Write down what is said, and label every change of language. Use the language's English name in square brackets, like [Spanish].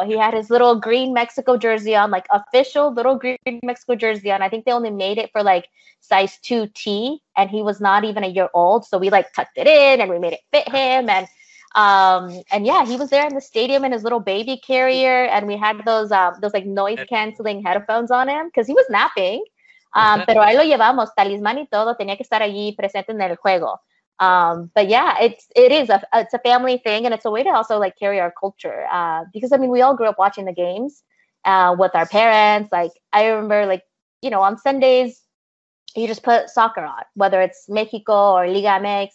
[English] He had his little green Mexico jersey on, like official little green Mexico jersey on. I think they only made it for like size 2T, and he was not even a year old. So we like tucked it in and we made it fit him. And yeah, he was there in the stadium in his little baby carrier. And we had those like noise canceling headphones on him because he was napping. [Spanish] Pero ahí lo llevamos, talismán y todo, tenía que estar allí presente en el juego. [English] But yeah, it's a family thing, and it's a way to also like carry our culture. Because I mean, we all grew up watching the games with our parents. Like I remember, like, you know, on Sundays, you just put soccer on, whether it's Mexico or Liga MX.